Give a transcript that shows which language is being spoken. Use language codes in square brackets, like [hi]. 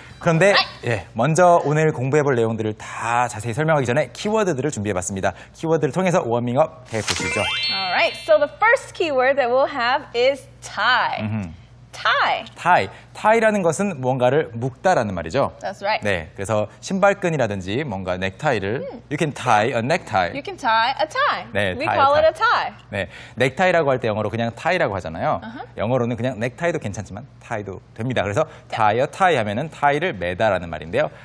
[ko] 그런데 예, 먼저 오늘 공부해볼 내용들을 다 자세히 설명하기 전에 키워드들을 준비해봤습니다. 키워드를 통해서 워밍업 해보시죠. [en] Alright, so the first keyword that we'll have is tie. Mm-hmm. Tie. Tie. [ko] Tie라는 것은 뭔가를 묶다라는 말이죠. [en] That's right. [ko] 네, 그래서 신발끈이라든지 뭔가 넥타이를 [en] You can tie a necktie. You can tie a tie. 네, We tie, call tie. it a tie. [ko] 네, 넥타이라고 할 때 영어로 그냥 tie라고 하잖아요. [en] Uh-huh. [ko] 영어로는 그냥 넥타이도 괜찮지만 tie도 됩니다. 그래서 tie a tie 하면은 tie를 매다라는 말인데요.